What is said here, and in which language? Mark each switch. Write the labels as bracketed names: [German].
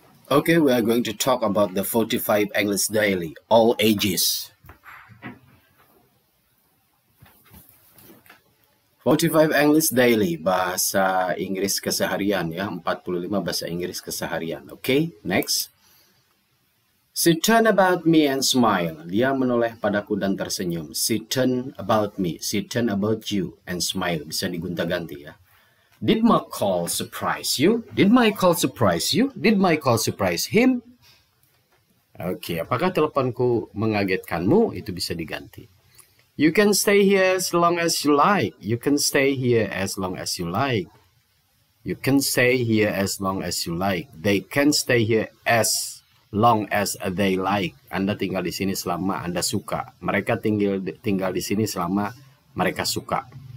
[English] Okay, we are going to talk about the 45 English daily, all ages. [Indonesian] 45 English daily, bahasa Inggris keseharian ya, 45 bahasa Inggris keseharian. [English] Okay, next. She turned about me and smiled. [Indonesian] Dia menoleh padaku dan tersenyum. [English] She turned about me, she turned about you and smiled. [Indonesian] Bisa digonta-ganti ya. [English] Did my call surprise you? Did my call surprise you? Did my call surprise him? [Indonesian] Okay, apakah teleponku mengagetkanmu? Itu bisa diganti. [English] You can stay here as long as you like. You can stay here as long as you like. You can stay here as long as you like. They can stay here as long as they like. [Indonesian] Anda tinggal di sini selama Anda suka. Mereka tinggal di sini selama mereka suka.